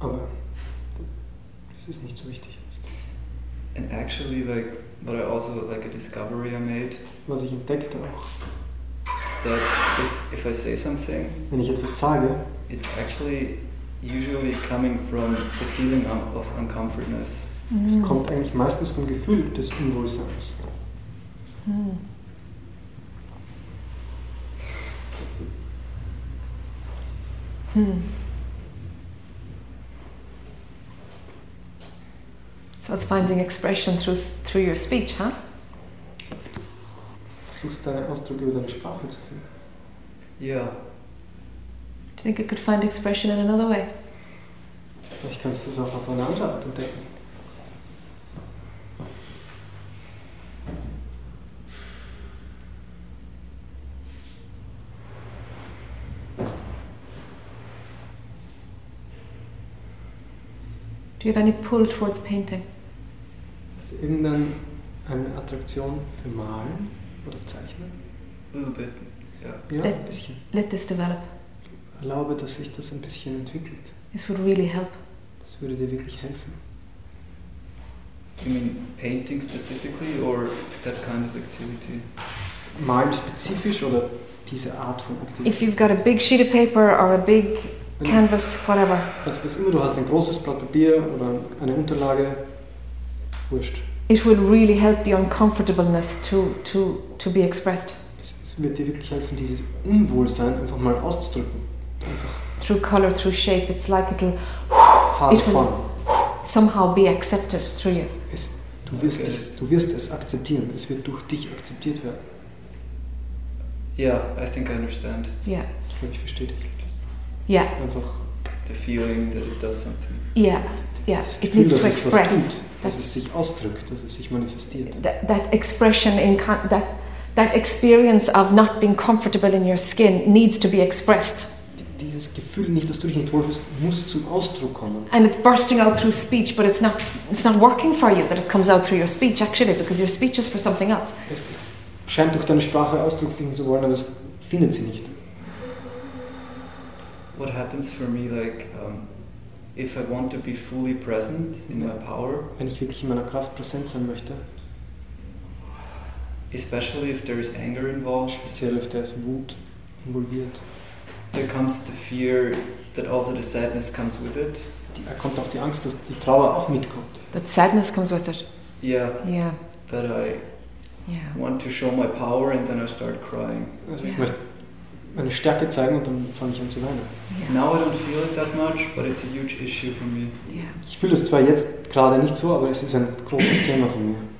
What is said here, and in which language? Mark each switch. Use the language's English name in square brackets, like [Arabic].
[German] Aber das ist nicht so wichtig jetzt. [English] And actually, like, but I also like a discovery I made. [German] Was ich entdeckte auch. [English] Is that if I say something, [German] wenn ich etwas sage, [English] it's actually usually coming from the feeling of uncomfortness. Mm. [German] Es kommt eigentlich meistens vom Gefühl des Unwohlseins. Mm. Hmm. [English] So it's finding expression through your speech, huh? [German] Versuchst deine Ausdrücke über deine Sprache zu finden. [English] Yeah. Do you think you could find expression in another way? [German] Vielleicht kannst du es auch auf eine andere Art entdecken. [English] Do you have any pull towards painting? [German] Ist irgendein eine Attraktion für Malen oder Zeichnen? [English] A little bit, yeah. [German] Ja, ein bisschen. [English] Let this develop. [German] Erlaube, dass sich das ein bisschen entwickelt. [English] This would really help. [German] Das würde dir wirklich helfen. [English] You mean painting specifically or that kind of activity? [German] Malen spezifisch oder diese Art von Aktivität? [English] If you've got a big sheet of paper or a big canvas, whatever. [German] Also, was immer du hast, ein großes Blatt Papier oder eine Unterlage, wurscht. [English] It would really help the uncomfortableness to be expressed. [German] Es wird dir wirklich helfen, dieses Unwohlsein einfach mal auszudrücken. [English] Through color, through shape, it's like it'll [German] Farbe, Form. [English] Somehow be accepted through you. [German] Du wirst es akzeptieren. Es wird durch dich akzeptiert werden. [English] Yeah, I think I understand. Yeah. [German] Ich glaube, ich verstehe dich. [English] Yeah. [German] Einfach [English] the feeling that it does something. Yeah. Yeah. [German] Das Gefühl, [English] it needs [German] dass [English] to express. [German] Tut, dass es sich ausdrückt, dass es sich manifestiert. [English] That expression in that experience of not being comfortable in your skin needs to be expressed. [German] Dieses Gefühl, nicht, dass du dich nicht wohlfühlst, muss zum Ausdruck kommen. [English] And it's bursting out through speech, but it's not working for you that it comes out through your speech actually, because your speech is for something else. [German] Es scheint durch deine Sprache Ausdruck finden zu wollen, aber es findet sie nicht. [English] What happens for me, like, if I want to be fully present in my power? [German] Wenn ich wirklich in meiner Kraft präsent sein möchte. [English] Especially if there is anger involved. [German] Speziell [English] if there is [German] Wut involviert. [English] There comes the fear that also the sadness comes with it. [German] Da kommt auch die Angst, dass die Trauer auch mitkommt. [English] That sadness comes with it. Yeah. Yeah. That I want to show my power and then I start crying. [German] Meine Stärke zeigen und dann fange ich an zu weinen. [English] Yeah. Now I don't feel it that much, but it's a huge issue for me. Yeah. [German] Ich fühle es zwar jetzt gerade nicht so, aber es ist ein großes Thema von mir.